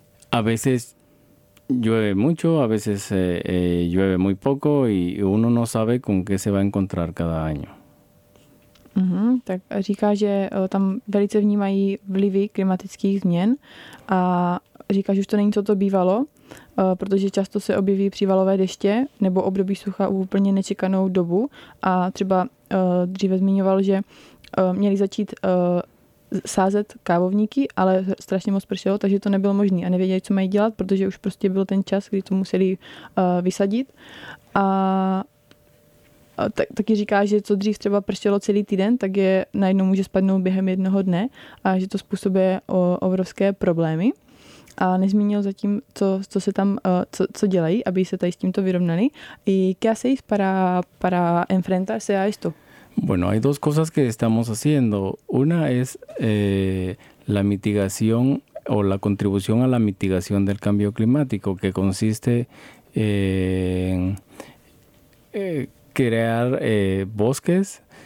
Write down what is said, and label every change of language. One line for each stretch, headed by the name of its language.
Spanish: A veces llueve mucho, a veces llueve muy poco y uno no sabe con qué se va a encontrar cada año.
Czech: Tak říká, že tam velice vnímají vlivy klimatických změn a říká, že už to není, co to bývalo, protože často se objeví přívalové deště nebo období sucha u úplně nečekanou dobu. A třeba dříve zmiňoval, že měli začít sázet kávovníky, ale strašně moc pršelo, takže to nebylo možné a nevěděli, co mají dělat, protože už prostě byl ten čas, kdy to museli vysadit. A taky říká, že co dřív třeba pršelo celý týden, tak je najednou může spadnout během jednoho dne a že to způsobuje obrovské problémy. A nezmínil zatím, co se tam co dělají, aby se tady s tímto vyrovnali.
Spanish: ¿Y qué hacéis para enfrentarse a esto? Bueno, hay dos cosas que estamos haciendo. Una es la mitigación o la contribución a la mitigación del cambio climático, que consiste en crear bosques.